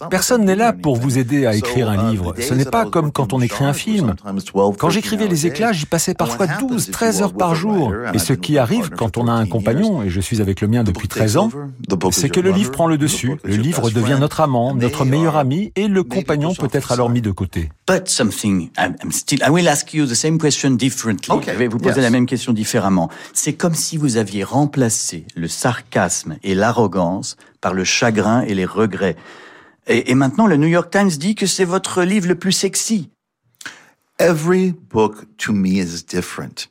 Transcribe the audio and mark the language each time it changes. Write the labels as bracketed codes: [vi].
[fr] Personne n'est là pour vous aider à écrire un livre. Ce n'est pas comme quand on écrit un film. Quand j'écrivais Les Éclats, j'y passais parfois 12-13 heures par jour. Et ce qui arrive quand on a un compagnon, et je suis avec le mien depuis 13 ans, c'est que le livre prend le dessus. Le livre devient notre amant, notre meilleur ami, et le compagnon peut être alors mis de côté. [en] But something, I'm still, I will ask you the same question differently. Okay. [fr] Je vais vous poser la même question différemment. C'est comme si vous aviez remplacé le sarcasme et l'arrogance par le chagrin et les regrets. Et maintenant, le New York Times dit que c'est votre livre le plus sexy. [en] Every book to me is different.